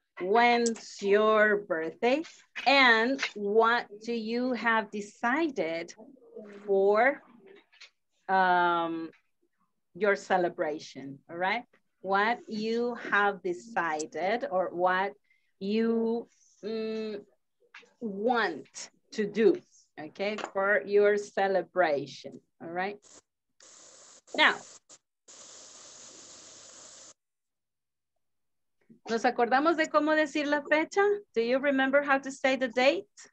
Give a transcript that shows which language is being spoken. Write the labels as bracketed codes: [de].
[en] When's your birthday? And what do you have decided for your celebration? All right. What you have decided or what you want to do, okay, for your celebration. All right. [es] Now, ¿nos acordamos de cómo decir la fecha? [en] Do you remember how to say the date?